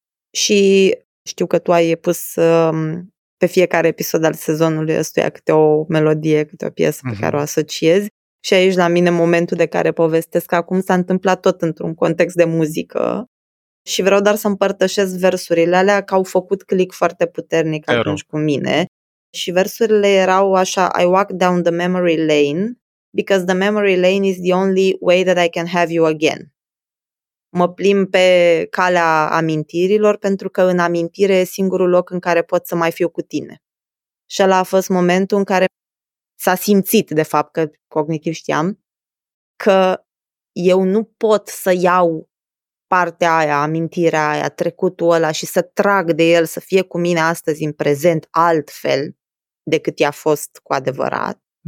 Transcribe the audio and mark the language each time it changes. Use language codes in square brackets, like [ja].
[ro] Și știu că tu ai pus pe fiecare episod al sezonului ăstuia câte o melodie, câte o piesă pe care o asociezi. Și aici la mine momentul de care povestesc acum s-a întâmplat tot într-un context de muzică. Și vreau doar să împărtășesc versurile alea că au făcut click foarte puternic atunci cu mine. Și versurile erau așa: [en] I walk down the memory lane because the memory lane is the only way that I can have you again. [ro] Mă plimb pe calea amintirilor pentru că în amintire e singurul loc în care pot să mai fiu cu tine. Și ăla a fost momentul în care s-a simțit, de fapt, că cognitiv știam, că eu nu pot să iau partea aia, amintirea aia, trecutul ăla și să trag de el să fie cu mine astăzi în prezent altfel decât i-a fost cu adevărat.